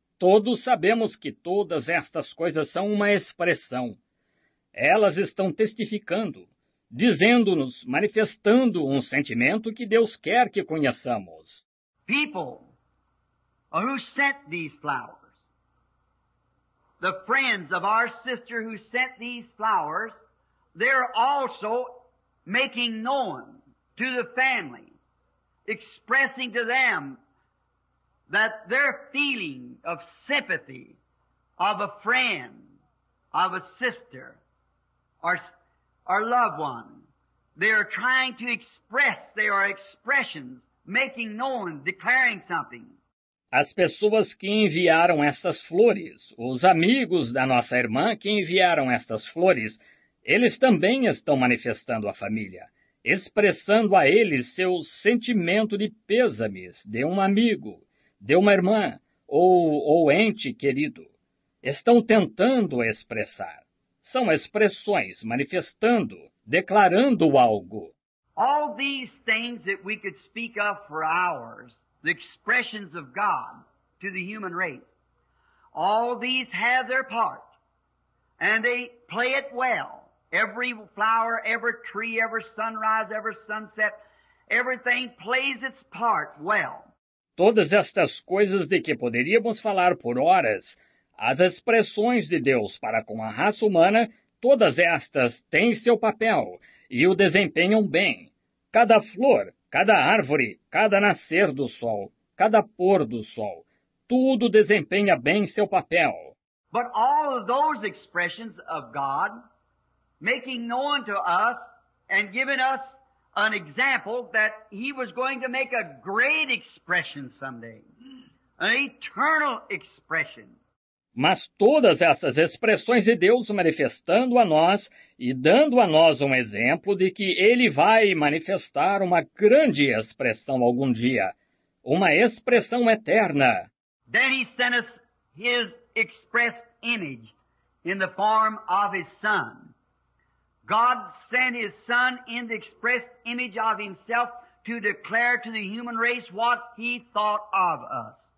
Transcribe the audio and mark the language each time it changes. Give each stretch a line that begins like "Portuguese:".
Portuguese: Todos sabemos que todas estas coisas são uma expressão. Elas estão testificando, dizendo-nos, manifestando um sentimento que Deus quer que conheçamos.
English: People who sent these flowers, the friends of our sister who sent these flowers, they're also making known to the family, expressing to them that their feeling of sympathy of a friend, of a sister, our loved one. They are trying to express, they are expressions, making known, declaring something.
Portuguese: As pessoas que enviaram estas flores, os amigos da nossa irmã que enviaram estas flores, eles também estão manifestando a família, expressando a eles seu sentimento de pêsames de um amigo, de uma irmã ou ente querido. Estão tentando expressar. São expressões manifestando, declarando algo.
English: All these things that we could speak of for hours, the expressions of God to the human race, All these have their part, and they play it well. Every flower, every tree, every sunrise, every sunset, everything plays its part well.
Portuguese: Todas estas coisas de que poderíamos falar por horas, as expressões de Deus para com a raça humana, todas estas têm seu papel e o desempenham bem. Cada flor, cada árvore, cada nascer do sol, cada pôr do sol, tudo desempenha bem seu papel.
English: But all of those expressions of God making known to us and giving us an example that he was going to make a great expression someday, an eternal expression.
Portuguese: Mas todas essas expressões de Deus manifestando a nós e dando a nós um exemplo de que ele vai manifestar uma grande expressão algum dia, uma expressão eterna.
English: Then he sent us his expressed image in the form of his son. God sent his son in the expressed image of himself to declare to the human race what he thought of us.